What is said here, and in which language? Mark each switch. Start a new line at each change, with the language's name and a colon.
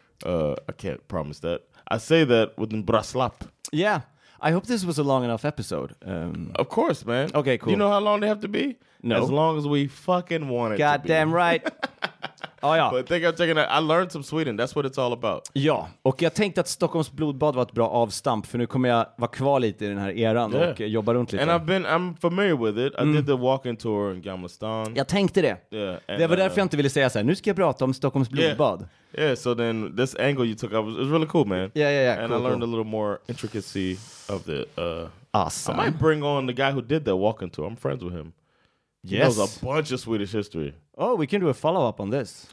English: I can't promise that. I say that with Braslap. Yeah. I hope this was a long enough episode. Of course, man. Okay, cool. You know how long they have to be? No. As long as we fucking want it God to damn be. Right. Oh, yeah. But thank you for checking out. I learned some Sweden. That's what it's all about.
Swedish: Ja, och jag tänkte att Stockholms blodbad var ett bra avstamp. För nu kommer jag vara kvar lite i den här eran och jobba runt lite.
English: And I'm familiar with it. I did the walking tour in Gamla stan.
Swedish: Jag tänkte det.
English: Yeah,
Swedish: and, det var därför jag inte ville säga så här. Nu ska jag prata om Stockholms blodbad.
English: Yeah, so then this angle you took up was really cool, man. Yeah. And cool, I learned cool. a little more intricacy of the... Awesome. I might bring on the guy who did that walking tour. I'm friends with him. Yes. He knows a bunch of Swedish history. Oh, we can do a follow-up on this.